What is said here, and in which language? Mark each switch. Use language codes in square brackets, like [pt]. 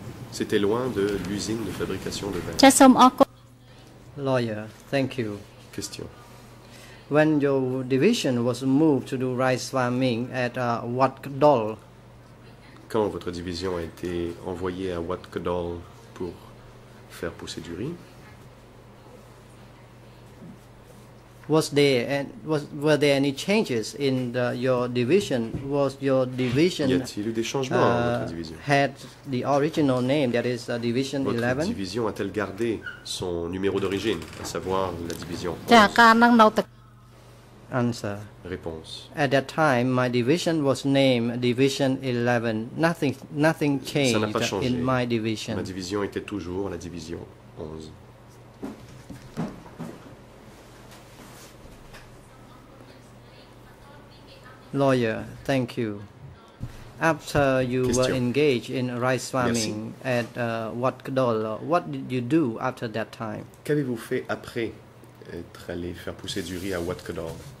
[fr] C'était loin de l'usine de fabrication de verre. [en] Just some awkward. Lawyer, thank you. Question. When your division was moved to do rice farming at Wat Kdol. Quand votre division a été envoyée à Wat Kdol pour faire pousser du riz. Were there any changes in your division? Was your division, [fr] y a-t-il eu des changements dans votre division? [en] Had the original name, that is division [fr] votre [en] 11? [fr] Votre division a-t-elle gardé son numéro d'origine, à savoir la division 11? [en] Answer. [fr] Réponse. [en] At that time, my division was named division 11. Nothing changed. [fr] Ça n'a pas changé. [en] In my division. [fr] Ma division était toujours la division 11. [en] Lawyer, thank you. After you Question. Were engaged in rice farming [fr] Merci. [en] At Wat Kdol, what did you do after that time? [fr] Qu'avez-vous fait après être allé faire pousser du riz à Wat Kdol?